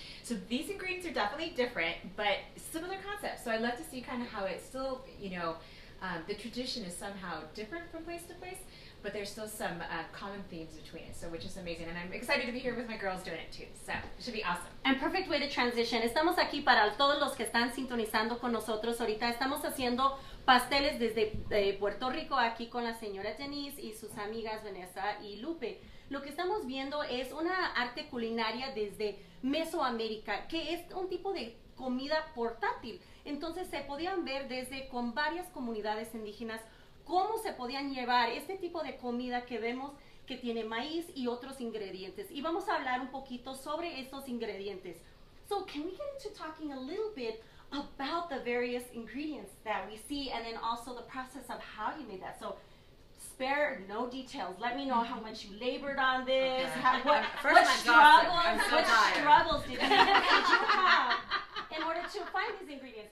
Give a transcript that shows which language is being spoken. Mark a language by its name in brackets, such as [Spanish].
[English] So these ingredients are definitely different, but similar concepts. So I'd love to see kind of how it's still, you know, the tradition is somehow different from place to place, but there's still some common themes between it, so which is amazing. And I'm excited to be here with my girls doing it too, so it should be awesome. And perfect way to transition. [Spanish] Estamos aquí para todos los que están sintonizando con nosotros ahorita. Estamos haciendo pasteles desde Puerto Rico, aquí con la señora Denise y sus amigas Vanessa y Lupe. Lo que estamos viendo es una arte culinaria desde Mesoamérica, que es un tipo de comida portátil. Entonces se podían ver desde con varias comunidades indígenas cómo se podían llevar este tipo de comida que vemos que tiene maíz y otros ingredientes. Y vamos a hablar un poquito sobre esos ingredientes. [English] So can we get into talking a little bit about the various ingredients that we see, and then also the process of how you made that? So spare no details. Let me know how much you labored on this. Okay. What struggles did you have in order to find these ingredients?